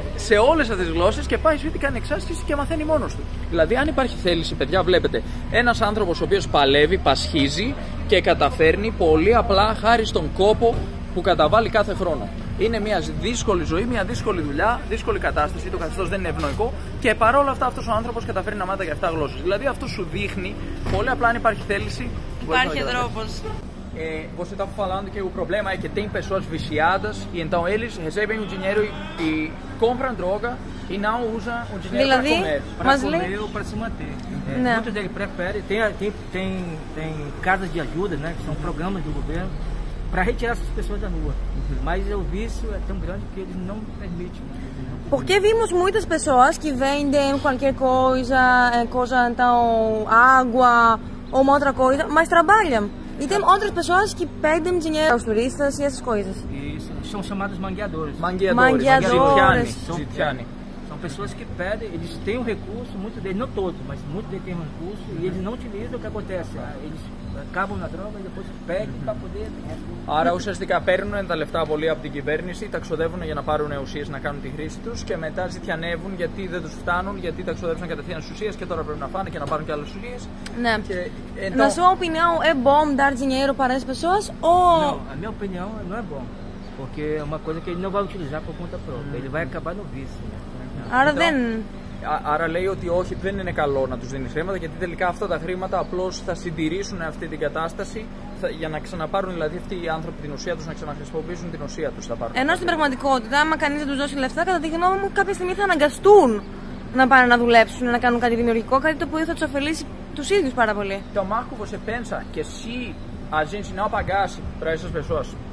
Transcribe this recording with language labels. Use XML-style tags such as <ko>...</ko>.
<el>Σε όλες αυτές τις γλώσσες και πάει σπίτι, κάνει εξάσκηση και μαθαίνει μόνος του. Δηλαδή, αν υπάρχει θέληση, παιδιά, βλέπετε, ένας άνθρωπος ο οποίος παλεύει, πασχίζει και καταφέρνει πολύ απλά χάρη στον κόπο που καταβάλει κάθε χρόνο. Είναι μια δύσκολη ζωή, μια δύσκολη δουλειά, δύσκολη κατάσταση, το καθεστώς δεν είναι ευνοϊκό και παρόλα αυτά αυτός ο άνθρωπος καταφέρνει να μάθει και 7 γλώσσες. Δηλαδή, αυτό σου δείχνει πολύ απλά αν υπάρχει θέληση. Υπάρχει τρόπος.</el> <pt>Você estava falando que o problema é que tem pessoas viciadas e então eles recebem o dinheiro e compram droga e não usam o dinheiro para comer. Para comer ou para se manter. Muitos deles preferem, tem casas de ajuda, né, que são programas do governo, para retirar essas pessoas da rua. Mas o vício é tão grande que eles não permitem. Porque vimos muitas pessoas que vendem qualquer coisa, então água ou uma outra coisa, mas trabalham. E tem outras pessoas que pedem dinheiro aos turistas e essas coisas. Isso, são chamados mangueadores. Mangueadores. Zitiani. São pessoas que pedem, eles têm um recurso, muitos deles, não todos, mas muitos deles têm um recurso e eles não utilizam, o que acontece? Eles acabam na droga e depois pedem para poder...</pt> <el>Άρα ουσιαστικά παίρνουν τα λεφτά πολύ από την κυβέρνηση, τα ξοδεύουν για να πάρουν ουσίες να κάνουν τη χρήση τους και μετά ζητιανεύουν γιατί δεν τους φτάνουν, γιατί τα ξοδεύουν κατευθείαν στις ουσίες και τώρα πρέπει να φάνε και να πάρουν και άλλες ουσίες. Ναι.</el> <pt>Na sua opinião, é bom dar dinheiro para as pessoas ou... Não, a minha opinião não é bom, porque é uma coisa que ele não vai utilizar por conta própria, ele vai acabar no vício.</pt> <el>Άρα δεν... Άρα λέει ότι όχι, δεν είναι καλό να τους δίνει χρήματα γιατί τελικά αυτά τα χρήματα απλώς θα συντηρήσουν αυτή την κατάσταση θα, για να ξαναπάρουν δηλαδή αυτοί οι άνθρωποι την ουσία τους, να ξαναχρησιμοποιήσουν την ουσία τους. Ενώ στην πραγματικότητα, άμα κανείς δεν τους δώσει λεφτά, κατά τη γνώμη μου, κάποια στιγμή θα αναγκαστούν να πάνε να δουλέψουν, να κάνουν κάτι δημιουργικό, κάτι το οποίο θα τους ωφελήσει τους ίδιους πάρα πολύ.</el> <pt>Το Μάρκο, você pensa que se a gente não pagasse para essas pessoas.</pt>